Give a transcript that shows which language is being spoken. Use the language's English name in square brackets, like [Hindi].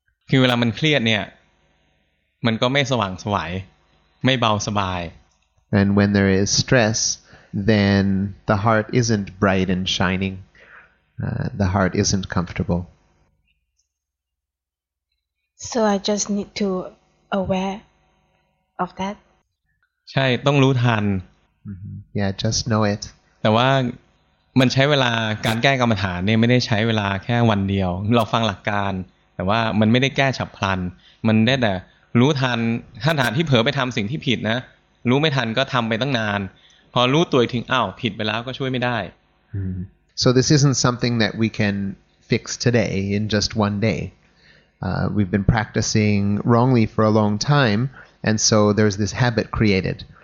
[Thai] คือเวลามันเครียดเนี่ยมันก็ไม่สว่างสวยไม่เบาสบาย [English] And when there is stress, then the heart isn't bright and shining. The heart isn't comfortable. So I just need to aware of that. [Thai] ใช่ต้องรู้ทัน [English] Yeah, just know it. [Thai] แต่ว่ามันใช้เวลาการแก้กรรมฐานเนี่ยไม่ได้ใช้เวลาแค่วันเดียวเราฟังหลักการแต่ว่ามันไม่ได้แก้ฉับพลันมันได้แต่รู้ทันถ้าฐานที่เผลอไปทำสิ่งที่ผิดนะรู้ไม่ทันก็ทำไปตั้งนานพอรู้ตัวถึงอ้าวผิดไปแล้วก็ช่วยไม่ได้ [English] So this isn't something that we can fix today in just one day. We've been practicing wrongly for a long time, and so there's this habit created.